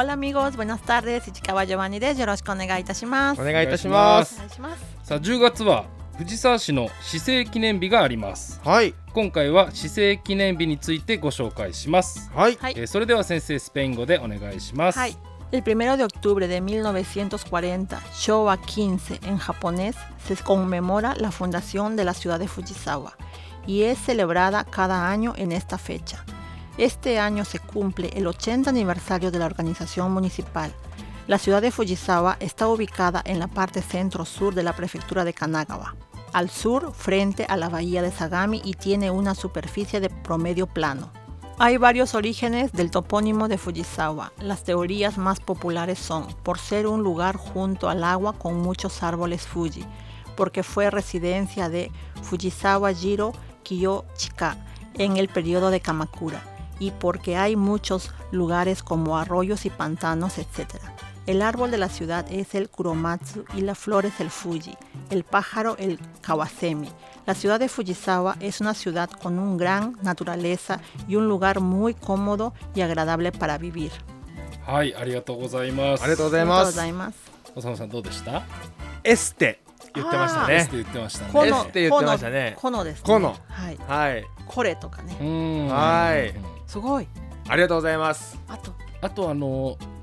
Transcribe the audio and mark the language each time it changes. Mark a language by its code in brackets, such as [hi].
[es] オラミゴーズ、ブナスタール [ja] です。市川ジョバンニです。よろしくお願いいたします。お願いいたします。さあ、10月は藤沢市の市政記念日があります。はい、今回は市政記念日についてご紹介します。はい、それでは先生、スペイン語でお願いします。はい。 [es] El primero de octubre de 1940, Showa 15 en japonés, se conmemora la fundación de la ciudad de Fujisawa y es celebrada cada año en esta fecha. Este año se cumple el 80 aniversario de la organización municipal. La ciudad de Fujisawa está ubicada en la parte centro-sur de la prefectura de Kanagawa, al sur frente a la bahía de Sagami, y tiene una superficie de promedio plano. Hay varios orígenes del topónimo de Fujisawa. Las teorías más populares son por ser un lugar junto al agua con muchos árboles Fuji, porque fue residencia de Fujisawa Jiro Kiyochika en el periodo de Kamakura, y porque hay muchos lugares como arroyos y pantanos, etc. El árbol de la ciudad es el Kuromatsu y la flor es el Fuji, el pájaro el Kawasemi. La ciudad de Fujisawa es una ciudad con una gran naturaleza y un lugar muy cómodo y agradable para vivir. [ja] はい、ありがとうございます。ありがとうございます。ございます。おさむさん、どうでした？エステ言ってましたね。エステ言ってましたね。エステ言ってましたね。このですね。この。はい。はい。これとかね。はい。すごい。ありがとうございます。あと、